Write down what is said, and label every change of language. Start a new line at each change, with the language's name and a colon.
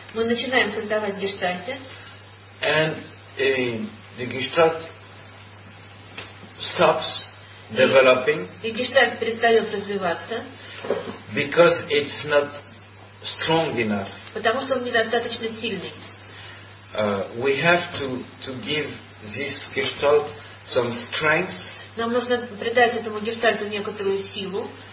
Russian: Мы начинаем создавать гештальты.
English: And the gestalt stops developing.
Russian: И гештальт перестает развиваться.
English: Because it's not strong enough.
Russian: Потому что он недостаточно сильный.
English: We have to give this gestalt some strength.
Russian: Нам нужно придать этому гештальту некоторую силу.